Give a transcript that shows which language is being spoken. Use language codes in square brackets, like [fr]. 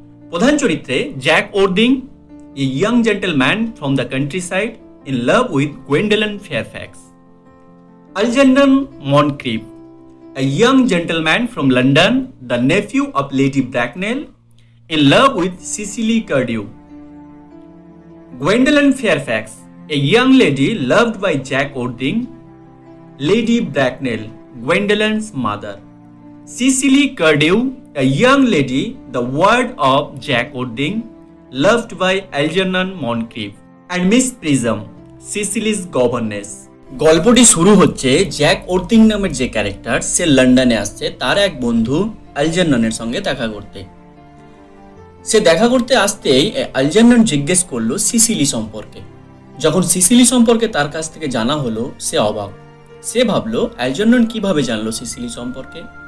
[bn] প্রধান চরিত্রে [en] Jack Worthing, a young gentleman from the countryside in love with Gwendolen Fairfax. Algernon Moncrieff, a young gentleman from London, the nephew of lady Bracknell in love with Cecily Cardew. Gwendolyn Fairfax, a young lady loved by Jack Ording, Lady Bracknell, Gwendolyn's mother. Cecily Cardew, a young lady, the ward of Jack Ording, loved by Algernon Moncrief. And Miss Prism, Cecily's governess. [bn] গল্পটি শুরু হচ্ছে Jack ওর্ডিং নামের যে character, সে লন্ডনে আসছে তার এক বন্ধু আলজেননের সঙ্গে দেখা করতে। সে দেখা করতে আসতেই আলজেন্ডন জিজ্ঞেস করলো সিসিলি সম্পর্কে। যখন সিসিলি সম্পর্কে তার কাছ থেকে জানা হলো, সে অবাক। সে ভাবলো আলজেন্ডন কিভাবে জানলো সিসিলি সম্পর্কে।